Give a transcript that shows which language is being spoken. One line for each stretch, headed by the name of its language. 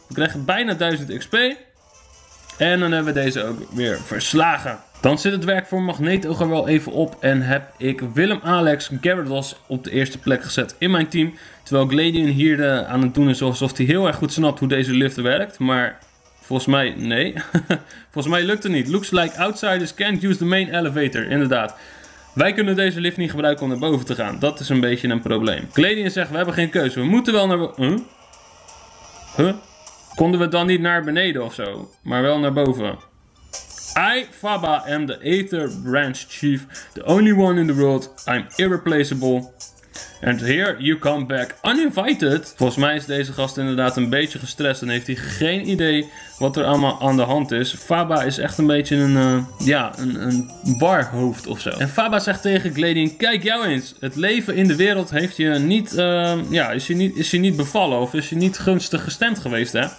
Dutch: We krijgen bijna 1000 XP. En dan hebben we deze ook weer verslagen. Dan zit het werk voor Magneetoog wel even op. En heb ik Willem Alex Gyarados op de eerste plek gezet in mijn team. Terwijl Gladion hier aan het doen is alsof hij heel erg goed snapt hoe deze lift werkt. Maar volgens mij nee. Volgens mij lukt het niet.
English: Looks like outsiders can't use the main elevator.
Dutch: Inderdaad. Wij kunnen deze lift niet gebruiken om naar boven te gaan. Dat is een beetje een probleem. Gladion zegt we hebben geen keuze. We moeten wel naar boven. Huh? Konden we dan niet naar beneden of zo, maar wel naar boven?
English: I, Faba, am the Aether Branch Chief. The only one in the world. I'm irreplaceable. And here you come back uninvited.
Dutch: Volgens mij is deze gast inderdaad een beetje gestrest en heeft hij geen idee wat er allemaal aan de hand is. Faba is echt een beetje een warhoofd of zo. En Faba zegt tegen Gladion, kijk jou eens. Het leven in de wereld heeft je niet, is je niet bevallen of is je niet gunstig gestemd geweest, hè?